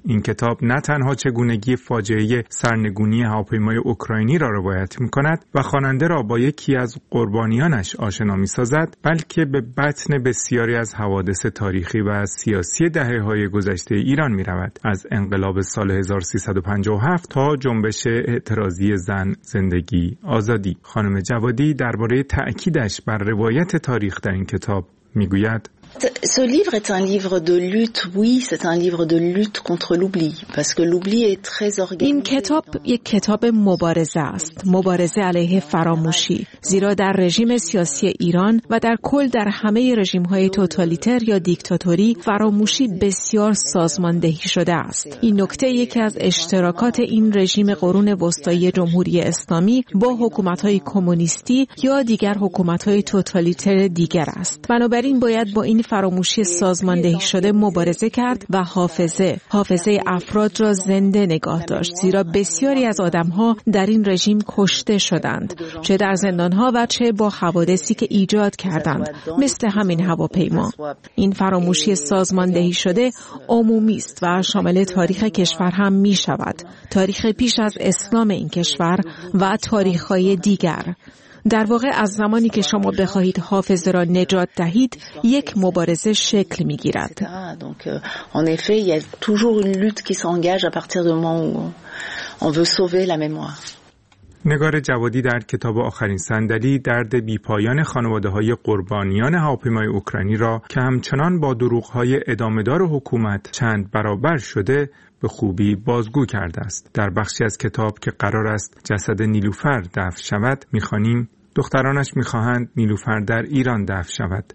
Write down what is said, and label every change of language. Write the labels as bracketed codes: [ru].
[fa] این کتاب نه تنها چگونگی فاجعه سرنگونی هواپیمای اوکراینی را روایت می‌کند و خواننده را با یکی از قربانیانش آشنا می‌سازد، بلکه به بطن بسیاری از حوادث تاریخی و سیاسی دهه‌های گذشته ایران می‌رود، از انقلاب سال 1357 تا جنبش اعتراضی زن زندگی آزادی. خانم جوادی درباره تأکیدش بر روایت تاریخ در این کتاب میگوید: [fr] Ce livre est un livre de lutte, oui, c'est un livre de lutte contre l'oubli, parce que l'oubli est très organisé. [fa] این کتاب یک کتاب مبارزه است، مبارزه علیه فراموشی، زیرا در رژیم سیاسی ایران و در کل در همه رژیم‌های توتالیتر یا دیکتاتوری فراموشی بسیار سازماندهی شده است. این نکته یکی از اشتراکات این رژیم قرون وسطایی جمهوری اسلامی با حکومت‌های کمونیستی یا دیگر حکومت‌های توتالیتر دیگر است. بنابراین باید با این فراموشی سازماندهی شده مبارزه کرد و حافظه افراد را زنده نگاه داشت، زیرا بسیاری از آدم‌ها در این رژیم کشته شدند، چه در زندان‌ها و چه با حوادثی که ایجاد کردند، مثل همین هواپیما. این فراموشی سازماندهی شده عمومی است و شامل تاریخ کشور هم می‌شود، تاریخ پیش از اسلام این کشور و تاریخ‌های دیگر. در واقع از زمانی که شما بخواهید حافظه را نجات دهید، یک مبارزه شکل می‌گیرد. [fr] En effet, il y a toujours une lutte qui s'engage à partir du moment où on veut sauver la mémoire. [fa] نگار جوادی در کتاب آخرین صندلی درد بی پایان خانواده‌های قربانیان هواپیمای اوکراینی را که همچنان با دروغ‌های ادامه‌دار حکومت چند برابر شده به خوبی بازگو کرده است. در بخشی از کتاب که قرار است جسد نیلوفر دفن شود می‌خوانیم: دخترانش می‌خواهند نیلوفر در ایران دفن شود.